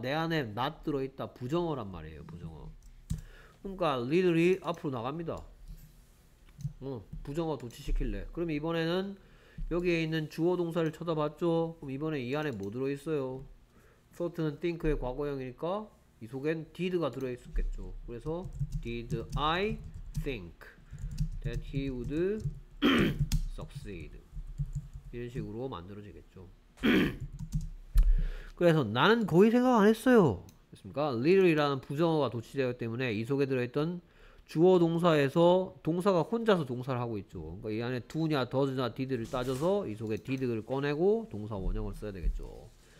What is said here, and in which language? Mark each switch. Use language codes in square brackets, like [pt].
[ko] 내 안에 not 들어있다. 부정어란 말이에요. 부정어. 그러니까 little이 앞으로 나갑니다. 부정어 도치시킬래. 그럼 이번에는 여기에 있는 주어 동사를 쳐다봤죠? 그럼 이번에 이 안에 뭐 들어있어요? thought는 think의 과거형이니까 이 속엔 did가 들어있었겠죠. 그래서 [en] did I think that he would succeed? [ko] 이런 식으로 만들어지겠죠. 그래서 나는 거의 생각 안 했어요. 됐습니까? little이라는 부정어가 도치되었기 때문에 이 속에 들어있던 주어 동사에서 동사가 혼자서 동사를 하고 있죠. 그러니까 이 안에 do냐 does냐 did를 따져서 이 속에 did를 꺼내고 동사 원형을 써야 되겠죠.